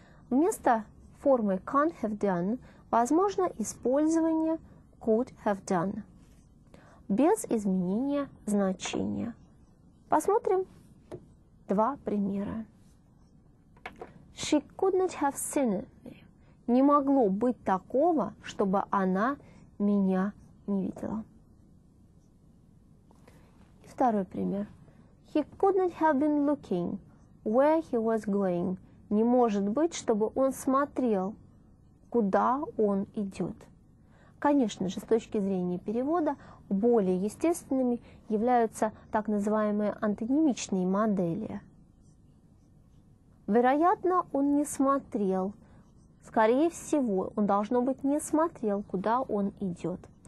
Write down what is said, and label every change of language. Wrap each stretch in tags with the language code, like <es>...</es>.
<ru>Вместо формы</ru> <en>can't have done</en> <ru>возможно использование</ru> <en>could have done</en> <ru>без изменения значения. Посмотрим два примера.</ru> <en>She couldn't have seen me.</en> <ru>Не могло быть такого, чтобы она меня не видела. И второй пример.</ru> <en>He couldn't have been looking where he was going.</en> <ru>Не может быть, чтобы он смотрел, куда он идет. Конечно же, с точки зрения перевода, более естественными являются так называемые антонимичные модели. Вероятно, он не смотрел. Скорее всего, он, должно быть, не смотрел, куда он идет.</ru>